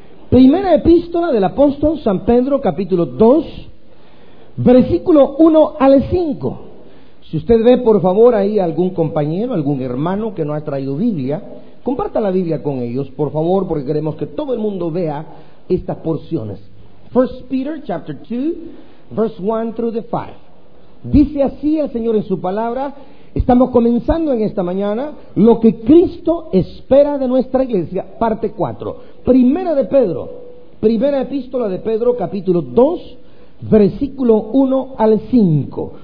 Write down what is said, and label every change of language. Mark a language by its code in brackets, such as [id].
[es] Primera epístola del apóstol San Pedro, capítulo 2, versículo 1 al 5. Si usted ve, por favor, ahí algún compañero, algún hermano que no ha traído Biblia, comparta la Biblia con ellos, por favor, porque queremos que todo el mundo vea estas porciones. [en] 1 Peter, chapter 2, verse 1 through the 5. [es] Dice así el Señor en su palabra. Estamos comenzando en esta mañana lo que Cristo espera de nuestra iglesia, parte 4. Primera de Pedro, primera epístola de Pedro, capítulo 2, versículo 1 al 5.